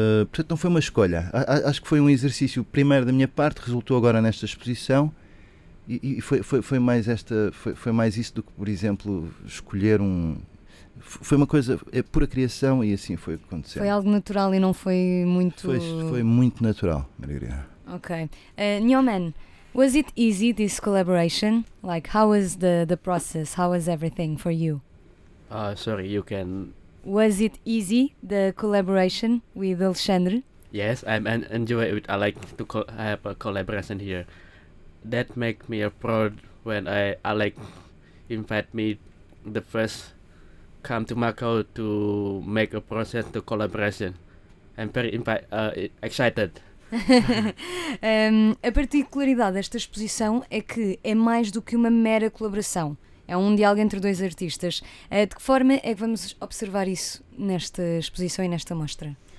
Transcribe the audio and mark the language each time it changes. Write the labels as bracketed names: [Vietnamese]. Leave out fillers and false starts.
[Portuguese] Portanto, não foi uma escolha. Acho que foi um exercício primeiro da minha parte, resultou agora nesta exposição. E foi mais isso do que, por exemplo, escolher um... Foi uma coisa, é pura criação, e assim foi o que aconteceu. Foi algo natural e não foi muito... Foi muito natural, Margarida. Ok. [English] Neoman, was it easy, this collaboration? Like, how was the process? How was everything for you? Sorry, you can... Was it easy, the collaboration with Alexandre? Yes, I'm enjoy it. I like to have a collaboration here. That make me proud when I like invite me the first... come to Macau to make a process to collaboration. I'm very excited. [Portuguese] A particularidade desta exposição é que é mais do que uma mera colaboração. É um diálogo entre dois artistas. De que forma é que vamos observar isso nesta exposição e nesta mostra?